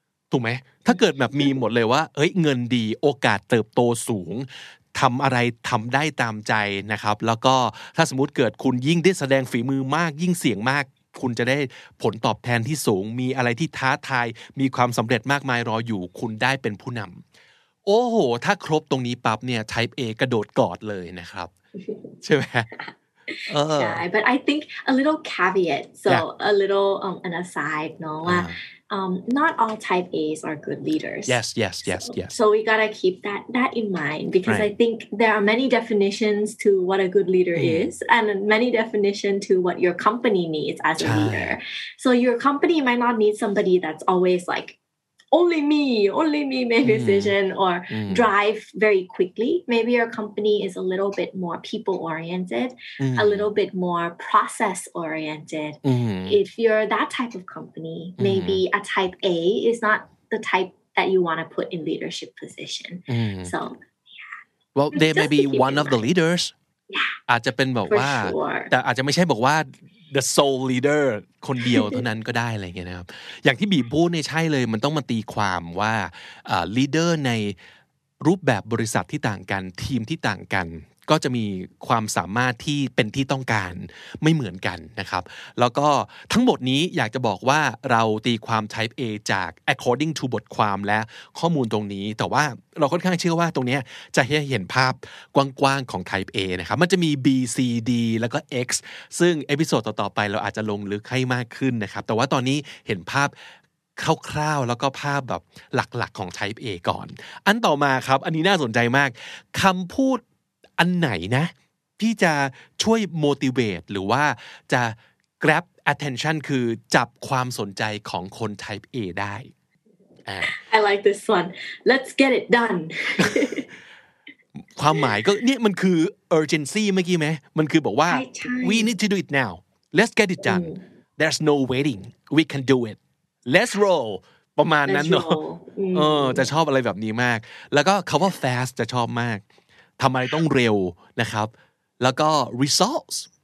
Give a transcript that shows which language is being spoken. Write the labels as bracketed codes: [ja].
[th] ถูกไหมถ้าเกิดแบบมีหมดเลยว่าเอ้ยเงินดีโอกาสเติบโตสูงทำอะไรทำได้ตามใจนะครับแล้วก็ถ้าสมมุติเกิดคุณยิ่งได้แสดงฝีมือมากยิ่งเสียงมากคุณจะได้ผลตอบแทนที่สูงมีอะไรที่ท้าทายมีความสำเร็จมากมายรออยู่คุณได้เป็นผู้นำโอ้โหถ้าครบตรงนี้ปั๊บเนี่ย type A กระโดดกอดเลยนะครับ ใช่ไหม ใช่ [en] but I think a little caveat so a little an aside no not all type A's are good leaders yes so we gotta keep that in mind because I think there are many definitions to what a good leader is and many definition to what your company needs as a leader so your company might not need somebody that's always likeonly me make decision or drive very quickly maybe your company is a little bit more people oriented a little bit more process oriented if you're that type of company maybe a type A is not the type that you want to put in leadership position so yeah well they may be one of the leaders yeah [th] อาจจะเป็นบอกว่า [en] sure. [th] แต่อาจจะไม่ใช่บอกว่า [en] the sole leader [th] คนเดียวเท่านั้นก็ได้อะไรอย่างเงี้ยนะครับอย่างที่บีพูดเนี่ยใช่เลยมันต้องมาตีความว่าleader ในรูปแบบบริษัทที่ต่างกันทีมที่ต่างกันก็จะมีความสามารถที่เป็นที่ต้องการไม่เหมือนกันนะครับแล้วก็ทั้งหมดนี้อยากจะบอกว่าเราตีความ type A จาก according to บทความและข้อมูลตรงนี้แต่ว่าเราค่อนข้างเชื่อว่าตรงนี้จะให้เห็นภาพ กว้างๆของ type A นะครับมันจะมี B C D แล้วก็ X ซึ่งเอพิโซดต่อๆไปเราอาจจะลงลึกให้มากขึ้นนะครับแต่ว่าตอนนี้เห็นภาพคร่าวๆแล้วก็ภาพแบบหลักๆของ type A ก่อนอันต่อมาครับอันนี้น่าสนใจมากคำพูดอันไหนนะพี่จะช่วย motivate หรือว่าจะ grab attention คือจับความสนใจของคน type A ได้ [en] I like this one let's get it done [th] ความหมายก็เนี่ยมันคือ urgency เมื่อกี้ไหมมันคือบอกว่า [en] we need to do it now let's get it done there's no waiting we can do it let's roll [th] ประมาณนั้นเนาะจะชอบอะไรแบบนี้มากแล้วก็คำว่า fast จะชอบมากทำอะไรต้องเร็วนะครับแล้วก็ results